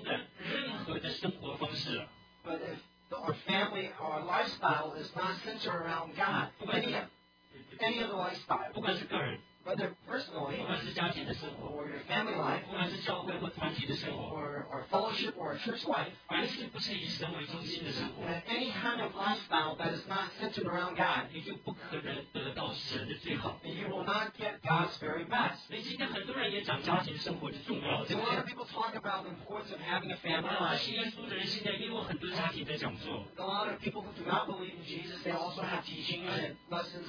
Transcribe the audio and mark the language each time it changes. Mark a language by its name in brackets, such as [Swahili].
[Chinese] 但是不是以神为中心的任何的生活方式。But [English] if our family, our lifestyle is not centered around God. Any other lifestyle. [Chinese] 不管是个人, [English] whether personally, [Chinese] 不管是家庭的生活, [English] or your family life, [Chinese] 不管是教会或团体的生活, [English] or our fellowship or our church life, [Chinese] 凡是不是以神为中心的生活, [English] and any kind of lifestyle that is not centered around God, [Chinese] 你就不可能得到神的最好, [English] you will not get God's very best. [Chinese] 现在很多人也讲家庭生活的重要, [English] a lot of people talk about the importance of having a family life. A lot of people who do not believe in Jesus, they also have teachings and lessons.